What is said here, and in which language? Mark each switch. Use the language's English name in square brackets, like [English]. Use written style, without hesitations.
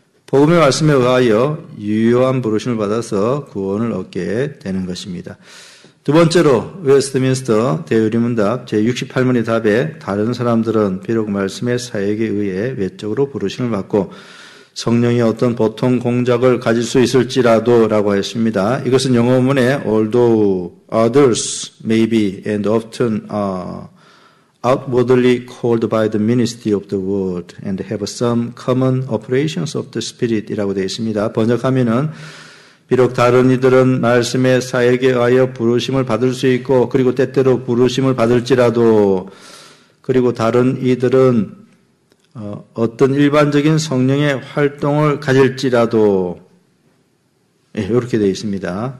[Korean] 복음의 말씀에 의하여 유효한 부르심을 받아서 구원을 얻게 되는 것입니다. 두 번째로 웨스트민스터 대요리문답 제68문의 답에 다른 사람들은 비록 말씀의 사역에 의해 외적으로 부르심을 받고 성령이 어떤 보통 공작을 가질 수 있을지라도 라고 했습니다. 이것은 영어 문에 [English] although others may be and often are outwardly called by the ministry of the word and have some common operations of the spirit [Korean] 이라고 되어 있습니다. 번역하면은 비록 다른 이들은 말씀의 사역에 의하여 부르심을 받을 수 있고 그리고 때때로 부르심을 받을지라도 그리고 다른 이들은 어떤 일반적인 성령의 활동을 가질지라도 예, 이렇게 되어 있습니다.